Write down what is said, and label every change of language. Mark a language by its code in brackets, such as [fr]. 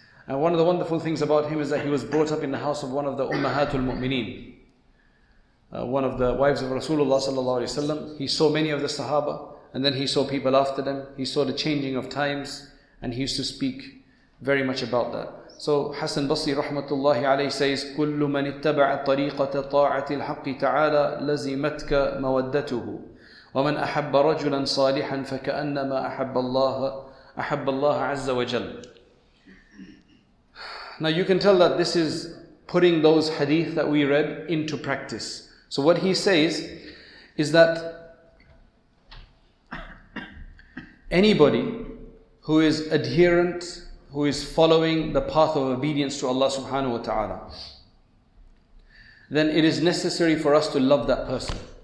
[en] And one of the wonderful things about him is that he was brought up in the house of one of the Ummahatul Mu'mineen, one of the wives of Rasulullah sallallahu alaihi wasallam. He saw many of the Sahaba, and then he saw people after them. He saw the changing of times, and he used to speak very much about that. So Hassan Basri rahmatullahi alayhi says, [ar] كُلُّ مَنِ اتَّبَعَ طَرِيقَةَ طَاعَةِ الْحَقِّ تَعَالَى لَزِمَتْكَ مَوَدَّتُهُ وَمَنْ أَحَبَّ رَجُلًا صَالِحًا فَكَأَنَّمَا أَحَبَّ اللَّهَ عَزَّ وَجَلَّ. [en] Now you can tell that this is putting those hadith that we read into practice. So what he says is that anybody who is adherent, who is following the path of obedience to Allah subhanahu wa ta'ala, then it is necessary for us to love that person.